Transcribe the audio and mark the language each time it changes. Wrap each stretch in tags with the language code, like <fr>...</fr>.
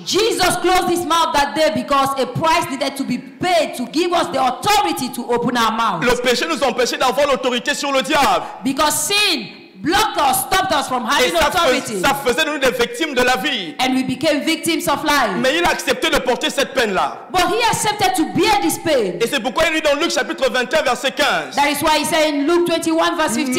<en>Jesus closed his mouth that day because a price needed to be paid to give us the authority to open our mouth.</en> <fr>Le péché nous empêchait d'avoir l'autorité sur le diable.</fr> <en>Because sin blocked us, stopped us from having authority.</en> <fr>Ça faisait de nous des victimes de la vie.</fr> <en>And we became victims of life.</en> <fr>Mais il a accepté de porter cette peine-là.</fr> <en>But he accepted to bear this pain.</en> <fr>Et c'est pourquoi il dit dans Luc chapitre 21 verset 15.</fr> <en>That is why he said in Luke 21 verse 15.</en>